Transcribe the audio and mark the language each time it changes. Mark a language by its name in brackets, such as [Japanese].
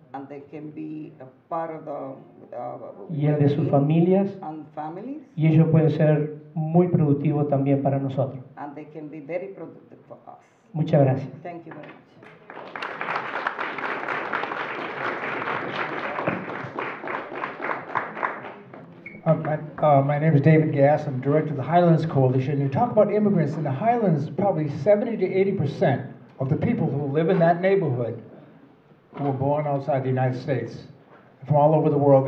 [English] And they can be a part of the, [Spanish] y el de sus familias. [English] And families. [Spanish] Y ellos pueden ser muy productivos también para nosotros. [English] And they can be very productive for us. [Spanish] Muchas gracias. [English] Thank you very much. My name is David Gass. I'm director of the Highlands Coalition. You talk about immigrants in the Highlands, probably 70-80% of the people who live in that neighborhood who were born outside the United States, from all over the world.